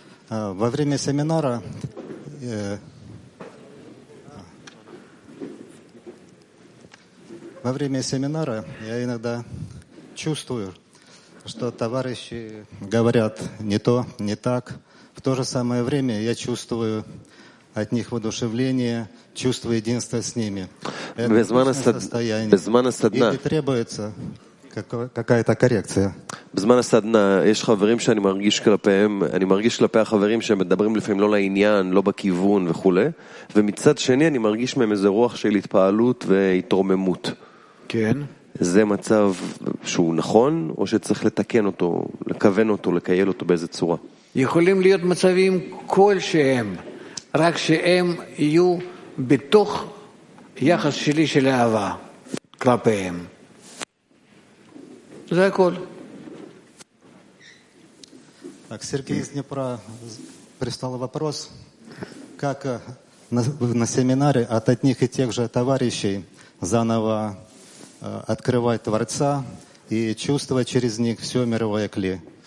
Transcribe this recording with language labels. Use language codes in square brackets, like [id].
[ru] Во время семинара я иногда чувствую, что товарищи говорят не то, не так. В то же самое время я чувствую от них воодушевление, чувство единства с ними. Это безмана состояние. Или требуется какая-то коррекция? [he] בזמן הסדנה יש חברים שאני מרגיש כלפיהם, אני מרגיש כלפי החברים שהם מדברים לפעמים לא לעניין, לא בכיוון וכו', ומצד שני אני מרגיש מהם איזה רוח של התפעלות והתרוממות. כן. זה מצב שהוא נכון, או שצריך לתקן אותו, לכוון אותו, לקייל אותו באיזה צורה? יכולים להיות מצבים כלשהם, רק שהם יהיו בתוך יחס שלי של אהבה כלפיהם. זה הכל. [ru] Так, Сергей из Днепра прислал вопрос, как на семинаре от одних и тех же товарищей заново открывать Творца и чувствовать через них все мировое кли.